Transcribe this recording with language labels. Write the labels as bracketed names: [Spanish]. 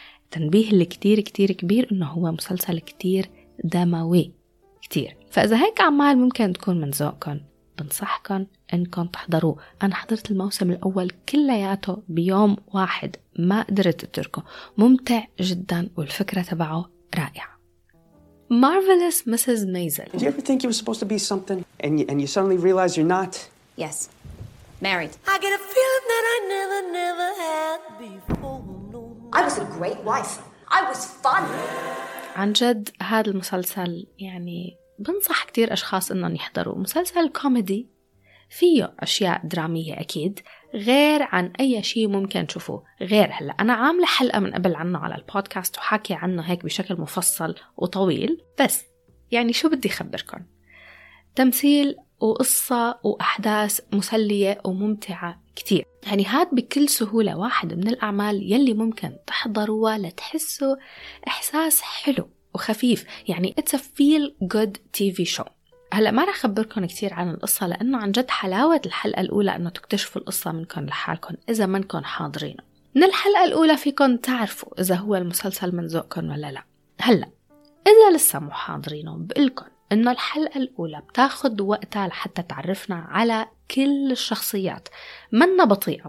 [Arabic] تنبيه اللي كتير كتير كبير انه هو مسلسل كتير دموي كتير، فاذا هيك اعمال ممكن تكون من ذوقكم بنصحكم انكم تحضروه. انا حضرت الموسم الاول كلياته بيوم واحد، ما قدرت اتركه، ممتع جدا والفكرة تبعه رائعة. [English] Marvelous Mrs. Maisel. Did you ever think you were supposed to be something and you suddenly realize you're not? Yes. Married. I get a feeling that I never had before. I was a great wife. I was fun. [Arabic] عن جد هذا المسلسل يعني بنصح كتير أشخاص إنهم يحضروا. مسلسل كوميدي فيه أشياء درامية أكيد، غير عن أي شيء ممكن تشوفوه غير هلا. أنا عاملة حلقة من قبل عنه على البودكاست وحاكي عنه هيك بشكل مفصل وطويل، بس يعني شو بدي أخبركم، تمثيل وقصة وأحداث مسلية وممتعة كتير. يعني هاد بكل سهولة واحد من الأعمال يلي ممكن تحضروها لتحسوا إحساس حلو وخفيف. يعني [English] It's a feel good TV show. [Arabic] هلأ ما رح أخبركم كتير عن القصة، لأنه عن جد حلاوة الحلقة الأولى أنه تكتشفوا القصة منكم لحالكم إذا منكم حاضرين. من الحلقة الأولى فيكم تعرفوا إذا هو المسلسل من ذوقكم ولا لا. هلأ إذا لسه مو حاضرينه، بقلكم إنه الحلقة الأولى بتاخد وقتها لحتى تعرفنا على كل الشخصيات، منا بطيئة.